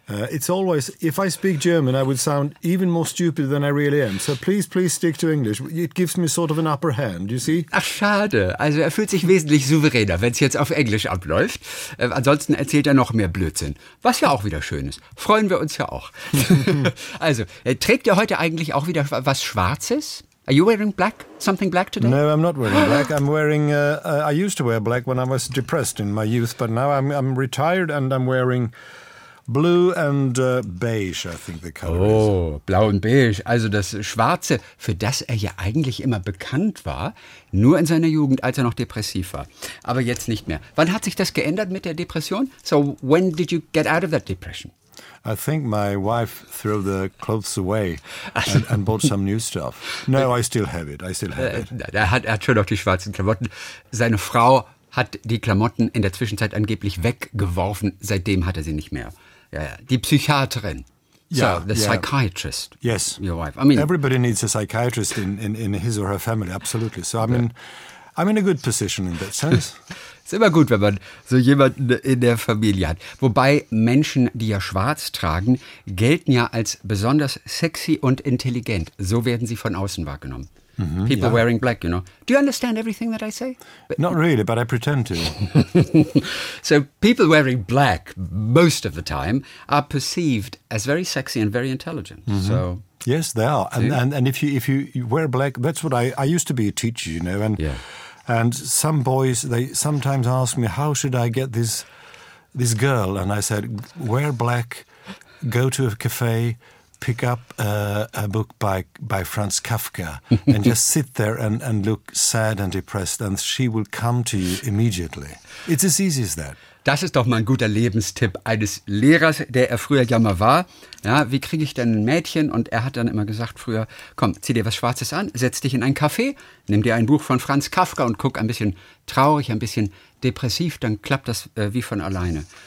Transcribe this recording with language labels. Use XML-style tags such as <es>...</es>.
<en>It's always, if I speak German, I would sound even more stupid than I really am. So please stick to English. It gives me sort of an upper hand, you see?</en> <de>Ach, schade. Also er fühlt sich wesentlich souveräner, wenn es jetzt auf Englisch abläuft. Ansonsten erzählt er noch mehr Blödsinn. Was ja auch wieder schön ist. Freuen wir uns ja auch. Also, trägt er heute eigentlich auch wieder was Schwarzes?</de> <en>Are you wearing black? Something black today? No, I'm not wearing black. I'm wearing... I used to wear black when I was depressed in my youth, but now I'm retired and I'm wearing... Blue and beige, I think the color oh, is.</en> <de>Oh, blau und beige. Also das Schwarze, für das er ja eigentlich immer bekannt war, nur in seiner Jugend, als er noch depressiv war. Aber jetzt nicht mehr. Wann hat sich das geändert mit der Depression?</de> <en>So when did you get out of that depression? I think my wife threw the clothes away and bought some new stuff. No, I still have it.</en> <de>Er hat schon noch die schwarzen Klamotten. Seine Frau hat die Klamotten in der Zwischenzeit angeblich weggeworfen. Seitdem hat er sie nicht mehr. Ja, die Psychiaterin.</de> <en>Yeah, so, the yeah. Psychiatrist. Yes. Your wife. I mean, everybody needs a psychiatrist in his or her family, absolutely. So I'm I'm in a good position in that sense.</en> <de>Ist immer gut, wenn man so jemanden in der Familie hat. Wobei Menschen, die ja schwarz tragen, gelten ja als besonders sexy und intelligent. So werden sie von außen wahrgenommen. Mm-hmm,</de> <en>people yeah. wearing black, you know. Do you understand everything that I say? Not really, but I pretend to. So people wearing black most of the time are perceived as very sexy and very intelligent. Mm-hmm. So yes, they are. And if you wear black, that's what I used to be a teacher, you know. And and some boys, they sometimes ask me, how should I get this girl? And I said, wear black, go to a cafe, pick up a book by Franz Kafka and just sit there and look sad and depressed and she will come to you immediately. It's as easy as that.</en> <de>Das ist doch mal ein guter Lebenstipp eines Lehrers, der er früher ja mal war. Ja, wie kriege ich denn ein Mädchen? Und er hat dann immer gesagt früher, komm, zieh dir was Schwarzes an, setz dich in ein Café, nimm dir ein Buch von Franz Kafka und guck ein bisschen traurig, ein bisschen depressiv, dann klappt das wie von alleine.</de>